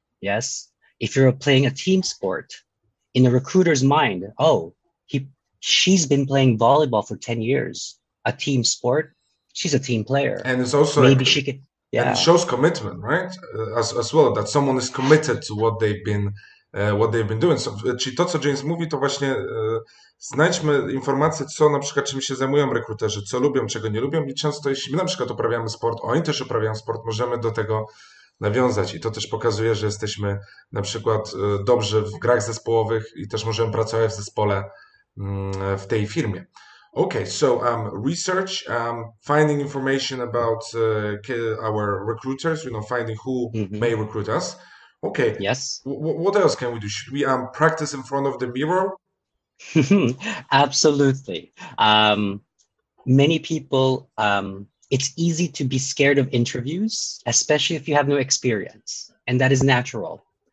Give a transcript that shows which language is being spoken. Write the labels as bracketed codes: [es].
[en] Yes. If you're playing a team sport, in a recruiter's mind, she's been playing volleyball for 10 years, a team sport. She's a team player. And it's also and it shows commitment, right? As well, that someone is committed to what they've been doing. [pl] So, czy to, co James mówi, to właśnie znajdźmy informacje, co na przykład, czym się zajmują rekruterzy, co lubią, czego nie lubią. I często, jeśli my na przykład uprawiamy sport, oni też uprawiają sport, możemy do tego nawiązać. I to też pokazuje, że jesteśmy na przykład dobrze w grach zespołowych i też możemy pracować w zespole w tej firmie. [en] Okay, so research, finding information about our recruiters, you know, finding who may recruit us. Okay. Yes. What else can we do? Should we practice in front of the mirror? Absolutely. Many people, it's easy to be scared of interviews, especially if you have no experience, and that is natural.